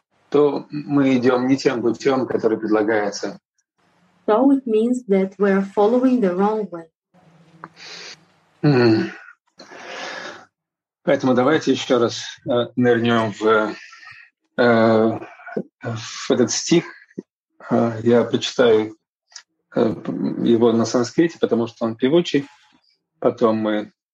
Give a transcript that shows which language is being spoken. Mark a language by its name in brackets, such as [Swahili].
[Russian] То мы идем не тем путем, который предлагается. [English] So it means that we are following the wrong way. [Russian] Поэтому давайте еще раз нырнем в этот стих. Я прочитаю его на санскрите, потому что он певучий. Потом мы